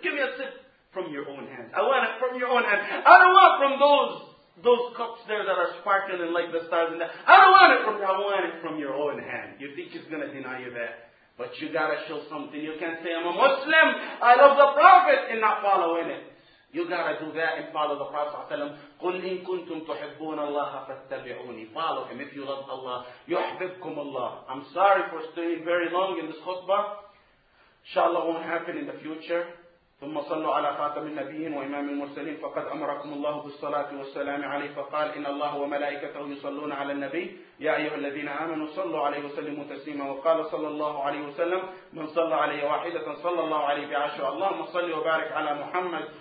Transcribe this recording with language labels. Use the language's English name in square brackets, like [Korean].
[English] Give me a sip from your own hand. I want it from your own hand. I don't want from those cups there that are sparkling like the stars in the. I don't want it from that. I want it from your own hand. You think he's going to deny you that? But you got to show something. You can't say, I'm a Muslim. I love the Prophet and not following it. You got to do that and follow the Prophet. [Arabic] قُلْ إِن كُنْتُمْ تُحِبُّونَ اللَّهَ فَاتَّبِعُونِي [English] Follow him. If you love Allah, يُحْبِبْكُمْ Allah. I'm sorry for staying very long in this khutbah. Inshallah won't happen in the future. [Arabic] ثم صلوا على خاتم النبيين وإمام المرسلين فقد أمركم الله بالصلاة والسلام عليه فقال إن الله وملائكته يصلون على النبي يا أيها الذين آمنوا صلوا عليه وسلموا تسليما وقال صلى الله عليه وسلم من صلى عليه واحدة صلى الله عليه بعشر اللهم صل وبارك على محمد